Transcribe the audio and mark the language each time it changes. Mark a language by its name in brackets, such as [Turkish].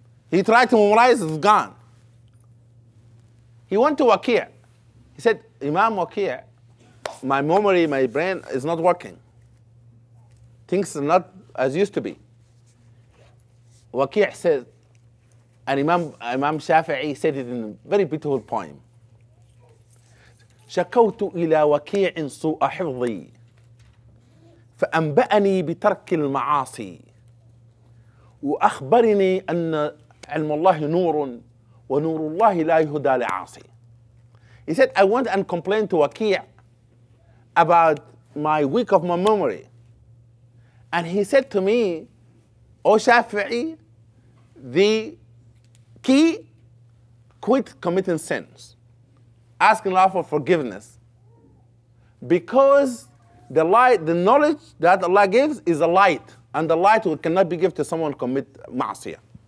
[English] He tried to memorize, it's gone. He went to Waqi'. He said, Imam Waqi', my memory, my brain is not working. Things are not as used to be. Waqi' said, and Imam Shafi'i said it in a very beautiful poem. [Arabic] شكوت إلى وكيع سوء حظي فأنبأني بترك المعاصي وأخبرني أن علم الله نور ونور الله لا يهدى لعاصي. [English] He said, I went and complained to وكيع about my weak of my memory. And he said to me, O Shafi'i, the key, quit committing sins, asking Allah for forgiveness, because the light, the knowledge that Allah gives is a light, and the light cannot be given to someone who commit ma'asiyah.